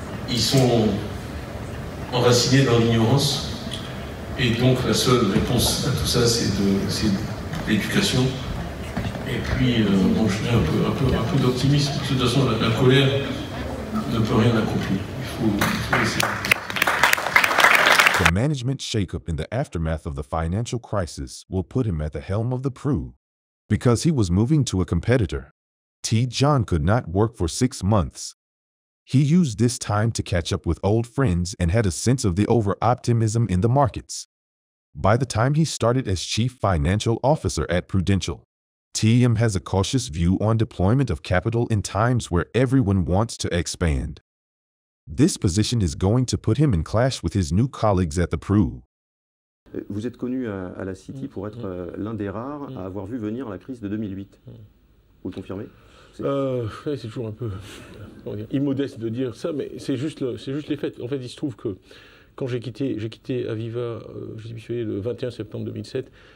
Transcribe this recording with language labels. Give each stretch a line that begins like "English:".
French: Ils sont enracinés dans l'ignorance. Et donc, la seule réponse à tout ça, c'est l'éducation. Et puis, bon, je mets un peu d'optimisme. De toute façon, la colère ne peut rien accomplir. Il faut essayer.
English: The management shakeup in the aftermath of the financial crisis will put him at the helm of the crew. Because he was moving to a competitor, T. John could not work for 6 months. He used this time to catch up with old friends and had a sense of the over-optimism in the markets. By the time he started as chief financial officer at Prudential, TM has a cautious view on deployment of capital in times where everyone wants to expand. This position is going to put him in clash with his new colleagues at the Pru.
French: Vous êtes connu à la City pour être l'un des rares à avoir vu venir la crise de 2008. Vous le confirmez? C'est toujours un peu immodeste de dire ça, mais c'est juste les faits. En fait, il se trouve que quand j'ai quitté Aviva, j'ai démissionné le 21 septembre 2007.